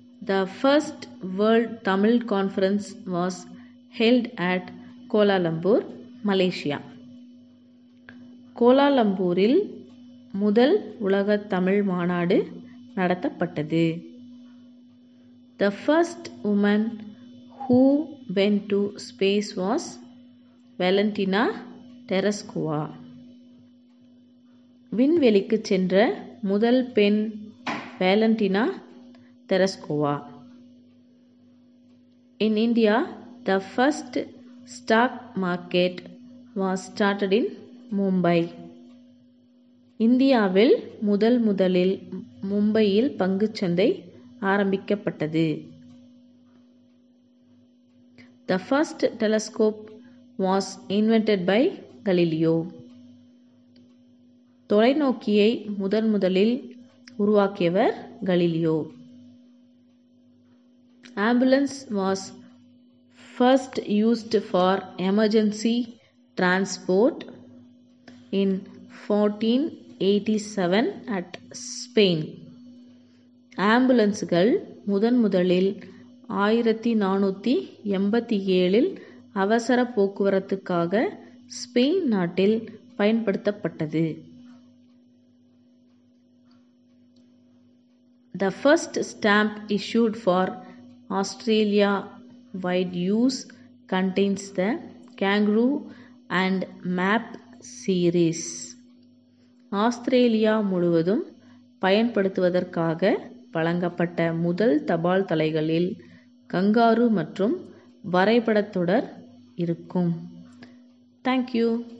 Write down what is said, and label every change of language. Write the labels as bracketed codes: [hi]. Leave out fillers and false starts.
[en] The first World Tamil Conference was held at Kuala Lumpur, Malaysia. [ta] Kuala Lumpur-il முதல் உலக தமிழ் மாநாடு நடத்தப்பட்டது. [en] The first woman who went to space was Valentina Tereshkova. [ta] விண்வெளிக்கு சென்ற முதல் பெண் Valentina Tereshkova. [en] In India, the first stock market was started in Mumbai. [ta] இந்தியாவில் முதல் முதலில் மும்பையில் பங்குச்சந்தை ஆரம்பிக்கப்பட்டது. [en] The first telescope was invented by Galileo. [ta] தொலைநோக்கியை முதன் முதலில் உருவாக்கியவர் Galileo. [en] Ambulance was first used for emergency transport in 1487 at Spain. [ta] ஆம்புலன்ஸுகள் முதன் முதலில் 1487 அவசர போக்குவரத்துக்காக ஸ்பெயின் நாட்டில் பயன்படுத்தப்பட்டது. [en] The first stamp issued for Australia wide use contains the kangaroo and map series. [ta] Australia முழுவதும் பயன்படுத்துவதற்காக வழங்கப்பட்ட முதல் தபால் தலைகளில் கங்காரு மற்றும் வரைபடத் தொடர் இருக்கும். தேங்க்யூ.